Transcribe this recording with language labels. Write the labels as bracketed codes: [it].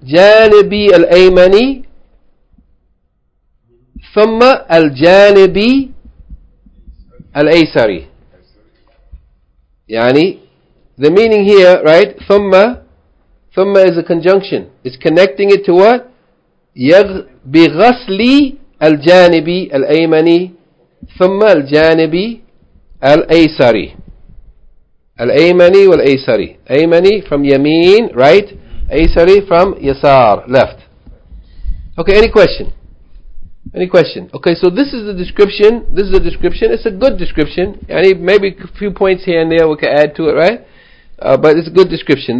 [ar] جانبي الأيمني ثم الجانبي الأيسري. [en] يعني the meaning here, right? ثم, ثم is a conjunction. It's connecting it to what? [ar] بغسل الجانبي الأيمني ثم الجانبي الأيسري. الأيمني والأيسري. [en] أيمني from يمين, right? أيسري from يسار, left. Okay, any question? Any question? Okay, so this is the description. This is the description. It's a good description. Any, maybe a few points here and there we can add to it, right? But it's a good description.